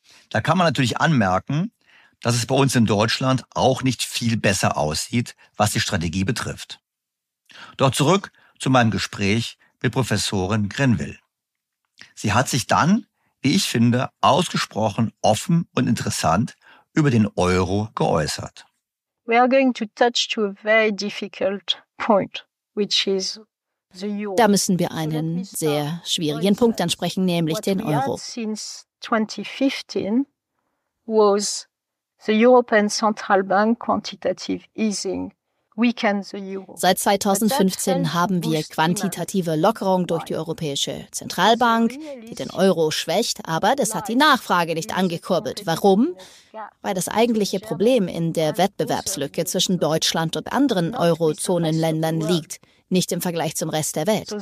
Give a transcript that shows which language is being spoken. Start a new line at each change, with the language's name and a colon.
German: Da kann man natürlich anmerken, dass es bei uns in Deutschland auch nicht viel besser aussieht, was die Strategie betrifft. Doch zurück zu meinem Gespräch mit Professorin Grenville. Sie hat sich dann, wie ich finde, ausgesprochen offen und interessant über den Euro geäußert.
English: We are going to touch to a very difficult point, which is the euro.
German: Da müssen wir einen sehr schwierigen Punkt ansprechen, nämlich den Euro.
English: What we had since 2015 was the European Central Bank quantitative easing.
German: Seit 2015 haben wir quantitative Lockerung durch die Europäische Zentralbank, die den Euro schwächt, aber das hat die Nachfrage nicht angekurbelt. Warum? Weil das eigentliche Problem in der Wettbewerbslücke zwischen Deutschland und anderen Eurozonenländern liegt, nicht im Vergleich zum Rest der Welt.